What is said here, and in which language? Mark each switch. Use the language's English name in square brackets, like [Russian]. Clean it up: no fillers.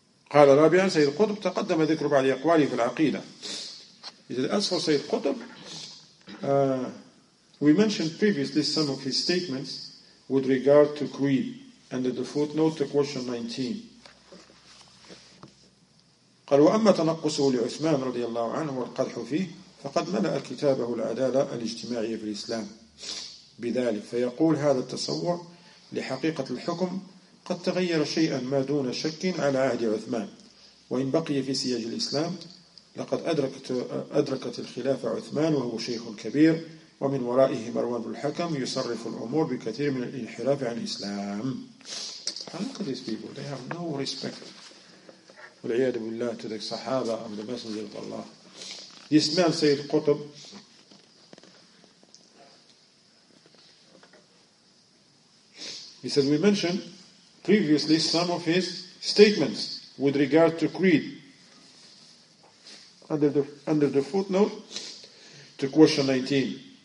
[Arabic] قال رابعاً سيد قطب تقدم ذكر بعض أقواله في العقيدة. [English] As for Sayyid Qutb, we mentioned previously some of his statements with regard to creed, and the footnote to question 19. [Arabic] قال وأما تنقصه لعثمان رضي الله عنه والقدح فيه فقد ملأ كتابه العدالة الاجتماعية في الإسلام بذلك. فيقول هذا التصور لحقيقة الحكم قد تغير شيئا ما دون شك على عهد عثمان، وإن بقي في سياج الإسلام لقد أدركت الخلافة عثمان وهو شيخ كبير، ومن ورائه مروان الحكم يصرف الأمور بكثير من الانحراف عن الإسلام. [English] Look at these people, they have no respect. [Arabic] والعياذ بالله [English] to the صحابة of the Messenger of Allah. This man said قطب he said we mentioned previously some of his statements with regard to creed under the footnote to question 19.